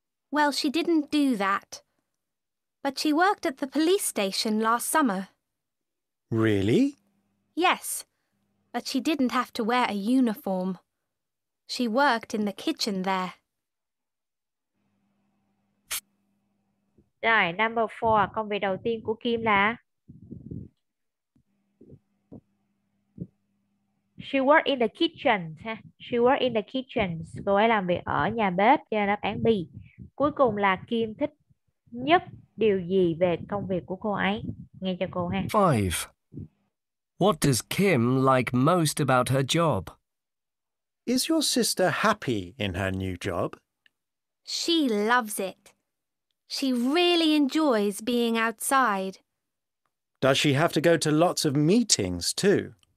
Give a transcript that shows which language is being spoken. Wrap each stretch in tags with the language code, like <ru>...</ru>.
<en>Well, she didn't do that. But she worked at the police station last summer. Really? Yes, but she didn't have to wear a uniform. She worked in the kitchen there.</en> <vi>Rồi, number 4, công việc đầu tiên của Kim là?</vi> <en>She worked in the kitchen. She worked in the kitchen.</en> <vi>Cô ấy làm việc ở nhà bếp, cho đáp án B. Cuối cùng là Kim thích nhất điều gì về công việc của cô ấy? Nghe cho cô ha.</vi> <en>5. What does Kim like most about her job? Is your sister happy in her new job? She loves it. She really enjoys being outside. Does she have to go to lots of meetings too?</en>